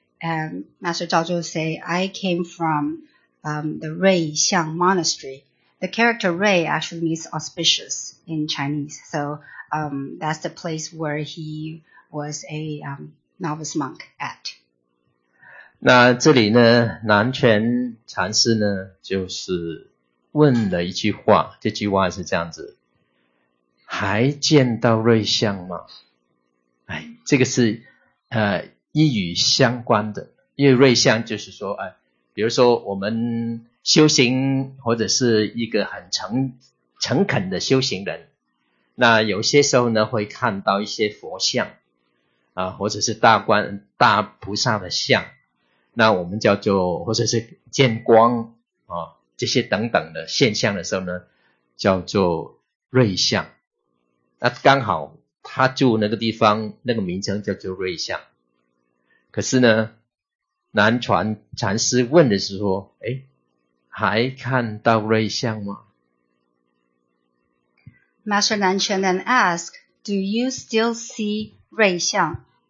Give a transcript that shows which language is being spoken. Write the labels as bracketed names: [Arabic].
[English] And Master Zhao Zhou say, I came from the Rei Xiang Monastery. The character Rei actually means auspicious in Chinese. So that's the place where he was a novice monk at. [Chinese] 那这里呢，南泉禅师呢，就是问了一句话，这句话是这样子，还见到瑞相吗？哎，这个是一语相关的，因为瑞相就是说，比如说我们修行或者是一个很诚恳的修行人，那有些时候呢会看到一些佛像啊，或者是大菩萨的像，那我们叫做或者是见光啊这些等等的现象的时候呢，叫做瑞相。那刚好他住那个地方，那个名称叫做瑞相。可是呢，南传禅师问的是说，还看到瑞相吗？ [English] Master Nan Quan then asked, do you still see 瑞相?